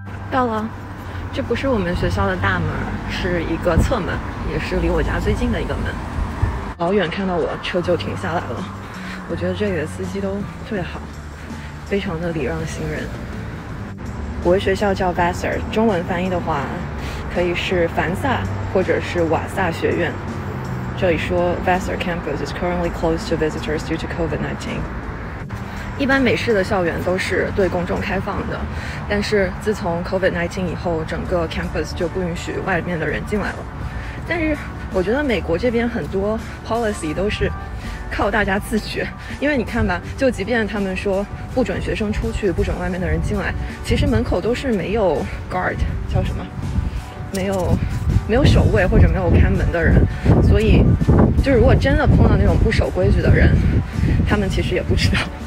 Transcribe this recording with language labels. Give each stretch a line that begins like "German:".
Chinese: 到了，这不是我们学校的大门，是一个侧门，也是离我家最近的一个门。老远看到我车就停下来了，我觉得这里的司机都特别好，非常的礼让行人。我学校叫 Vassar， 中文翻译的话可以是凡萨或者是瓦萨学院。这里说
English: Vassar campus is currently closed to visitors due to COVID-19。
Chinese: 一般美式的校园都是对公众开放的，但是自从 COVID-19 以后，整个 campus 就不允许外面的人进来了。但是我觉得美国这边很多 policy 都是靠大家自觉，因为你看吧，就即便他们说不准学生出去，不准外面的人进来，其实门口都是没有 guard， 叫什么，没有守卫或者没有看门的人，所以就如果真的碰到那种不守规矩的人，他们其实也不知道。